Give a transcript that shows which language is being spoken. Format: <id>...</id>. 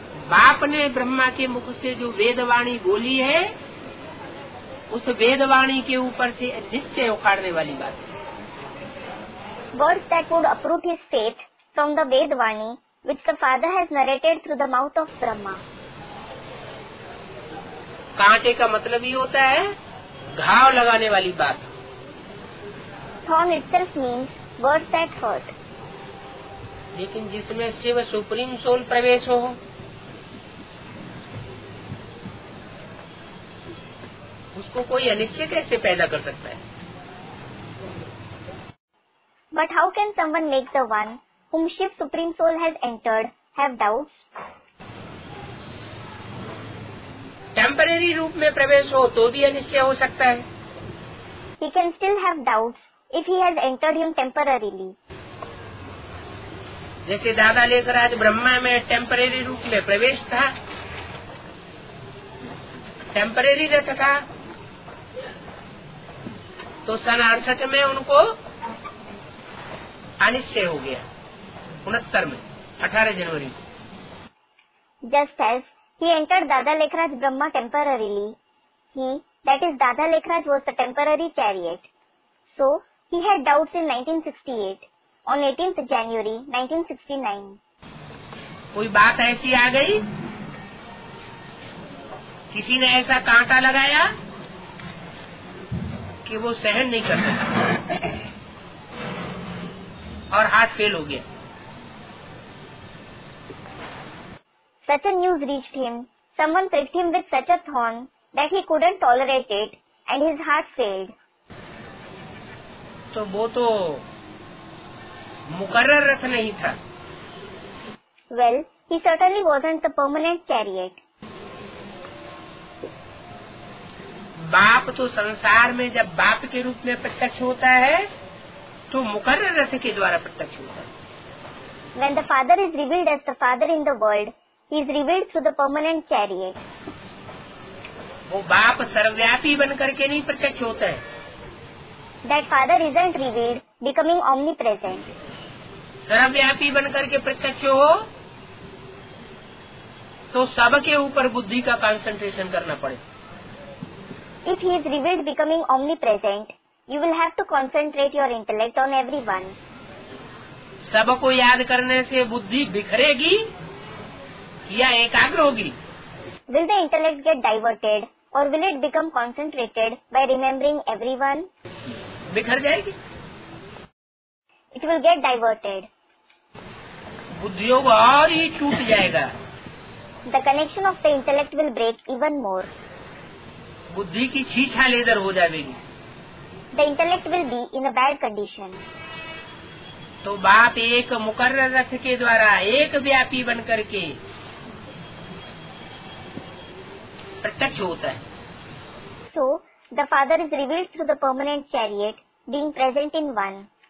<hi>बाप ने ब्रह्मा के मुख से जो वेदवाणी बोली है, उस वेदवाणी के ऊपर से निश्चय उखाड़ने वाली बात।</hi> <en>Words that would uproot his faith from the Vedvani which the father has narrated through the mouth of Brahma.</en> <hi>कांटे का मतलब ही होता है घाव लगाने वाली बात.</hi> <en>Thorn itself means words that hurt.</en> <hi>लेकिन जिसमें शिव सुप्रीम सोल प्रवेश हो उसको कोई अनिश्चय कैसे पैदा कर सकता है.</hi> <en>But how can someone make the one whom Shiv Supreme Soul has entered have doubts?</en> <hi>Temporary रूप में प्रवेश हो तो भी अनिश्चय हो सकता है.</hi> <en>He can still have doubts if he has entered him temporarily.</en> <hi>जैसे दादा लेकर आज ब्रह्मा में टेम्पररी रूप में प्रवेश था, टेम्पररी रह सका, तो 1968 में उनको अनिश्चय हो गया, 69 में 18 जनवरी.</hi> <en>Just as he entered Dada Lekhraj Brahma temporarily, he, that is Dada Lekhraj, was the temporary chariot. So he had doubts in 1968 on 18th January 1969.</en> <hi>कोई बात ऐसी आ गई, किसी ने ऐसा कांटा लगाया कि वो सहन नहीं कर सका और हार्ट फेल हो गया.</hi> <en>Such a news reached him. Someone pricked him with such a thorn that he couldn't tolerate it and his heart failed.</en> <hi>तो वो तो मुकर्रर रथ नहीं था.</hi> <en>Well, he certainly wasn't the permanent chariot.</en> <hi>बाप तो संसार में जब बाप के रूप में प्रत्यक्ष होता है तो मुकर्रर रथ के द्वारा प्रत्यक्ष होता है.</hi> <en>When the father is revealed as the father in the world, he is revealed through the permanent chariot.</en> <hi>वो बाप सर्वव्यापी बन करके नहीं प्रत्यक्ष होता है.</hi> <en>That father isn't revealed becoming omnipresent.</en> <hi>सर्वव्यापी बन करके प्रत्यक्ष हो तो सबके ऊपर बुद्धि का कंसंट्रेशन करना पड़े.</hi> <en>If he is revealed becoming omnipresent, you will have to concentrate your intellect on everyone.</en> <hi>सबको याद करने से बुद्धि बिखरेगी या एकाग्र होगी.</hi> <en>Will the intellect get diverted or will it become concentrated by remembering everyone?</en> <hi>बिखर जाएगी.</hi> <en>It will get diverted.</en> <hi>बुद्धियों को और ही छूट जाएगा.</hi> <en>The connection of the intellect will break even more.</en> <hi>बुद्धि की छीछा लेदर हो जाएगी.</hi> <en>The intellect will be in a bad condition.</en> <hi>तो बाप एक मुकर्रर रथ के द्वारा एक व्यापी बन करके प्रत्यक्ष होता है.</hi> <en>So the father is revealed through the permanent chariot being present in one.</en>